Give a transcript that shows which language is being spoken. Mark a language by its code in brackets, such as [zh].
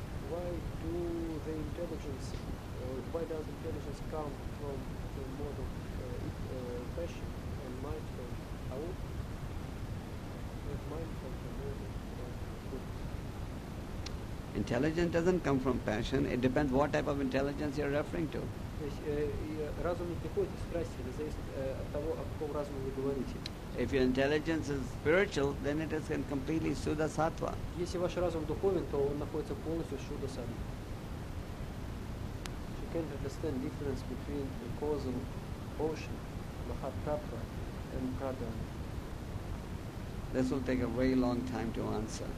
[en] Why do the intelligence, why does intelligence come from the mode of passion and mind from out? And mind from the mode of goodness? Intelligence doesn't come from passion. It depends what type of intelligence you're referring to. [ru] Разум не приходит из страсти, это зависит от того, о каком разуме вы говорите. [en] If your intelligence is spiritual, then it is in completely Shuddha Sattva. [ru] Если ваш разум духовен, то он находится полностью в Shuddha Sattva. [en] You can't understand difference between the causal ocean, Mahatattva, and Pradhana. This will take a very long time to answer.